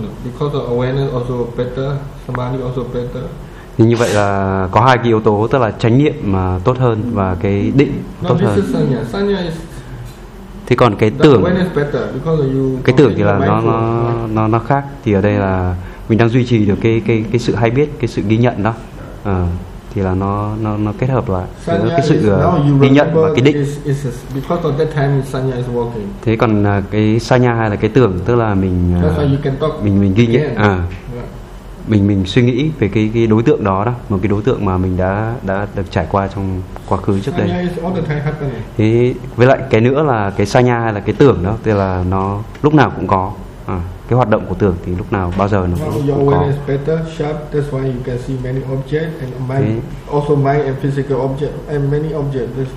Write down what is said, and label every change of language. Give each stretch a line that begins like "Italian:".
English: Because the awareness also better, samadhi also better.
Vietnamese: Thì như vậy là có hai cái yếu tố, tức là chánh niệm mà tốt hơn và cái định tốt hơn.
English: Sanya is.
Vietnamese: Thì còn cái tưởng.
English: Awareness better because you.
Vietnamese: Cái tưởng thì là nó khác. Thì ở đây là mình đang duy trì được cái sự hay biết, cái sự ghi nhận đó. Thì là nó kết hợp lại giữa cái sự ghi nhận và cái định.
English: Because of that time, sanya is working.
Vietnamese: Thế còn cái sanya hay là cái tưởng, tức là mình ghi nhận mình suy nghĩ về cái đối tượng đó, một cái đối tượng mà mình đã được trải qua trong quá khứ trước đây. Thế với lại cái nữa là cái sanya hay là cái tưởng đó, tức là nó lúc nào cũng có. Cái hoạt động của tưởng thì lúc nào bao giờ nó cũng có.
English: Your awareness better, sharp, that's why you can see many objects and mind, also mind and physical object and many objects.